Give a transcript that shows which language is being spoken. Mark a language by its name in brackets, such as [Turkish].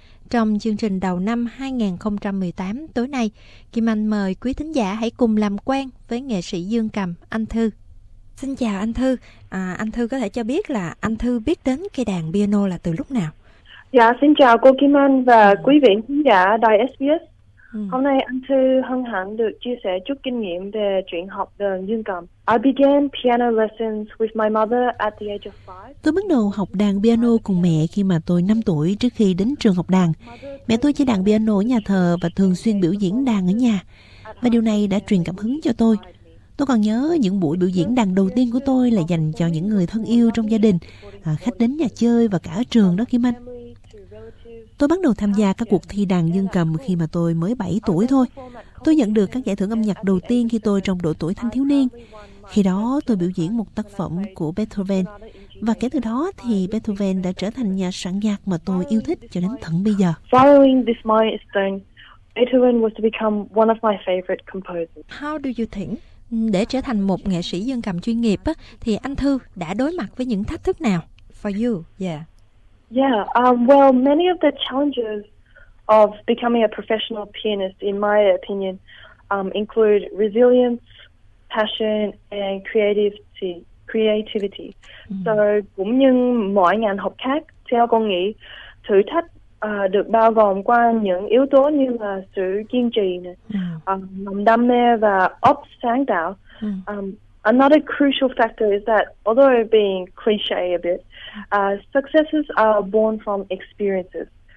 [Vietnamese] Trong chương trình đầu năm 2018 tối nay, Kim Anh mời quý thính giả hãy cùng làm quen với nghệ sĩ dương cầm anh Thư. Xin chào anh Thư. Anh Thư có thể cho biết là anh Thư biết đến cây đàn piano là từ lúc nào? Dạ, xin chào cô Kim Anh và quý vị khán giả Đài SBS. Hôm nay anh Thư hân hạnh được chia sẻ chút kinh nghiệm về chuyện học đàn dương cầm. [English] I began piano lessons with my mother at the age of 5. [Vietnamese] Tôi bắt đầu học đàn piano cùng mẹ khi mà tôi 5 tuổi trước khi đến trường học đàn. Mẹ tôi chơi đàn piano ở nhà thờ và thường xuyên biểu diễn đàn ở nhà. Và điều này đã truyền cảm hứng cho tôi. Tôi còn nhớ những buổi biểu diễn đàn đầu tiên của tôi là dành cho những người thân yêu trong gia đình, khách đến nhà chơi và cả ở trường đó Kim Anh. Tôi bắt đầu tham gia các cuộc thi đàn dương cầm khi mà tôi mới 7 tuổi thôi. Tôi nhận được các giải thưởng âm nhạc đầu tiên khi tôi trong độ tuổi thanh thiếu niên. Khi đó tôi biểu diễn một tác phẩm của Beethoven. Và kể từ đó thì Beethoven đã trở thành nhà soạn nhạc mà tôi yêu thích cho đến tận bây giờ. [English] How do you think? [Vietnamese] Để trở thành một nghệ sĩ dương cầm chuyên nghiệp á, thì anh Thư đã đối mặt với những thách thức nào? [English] For you, Well, many of the challenges of becoming a professional pianist, in my opinion, include resilience, passion and creativity. [Vietnamese] So, cũng như mọi ngành học khác, theo con nghĩ, thử thách được bao gồm qua những yếu tố như là sự kiên trì này, lòng đam mê và óc sáng tạo. [English] Another crucial factor is that, although being cliche a bit, successes are born from experiences.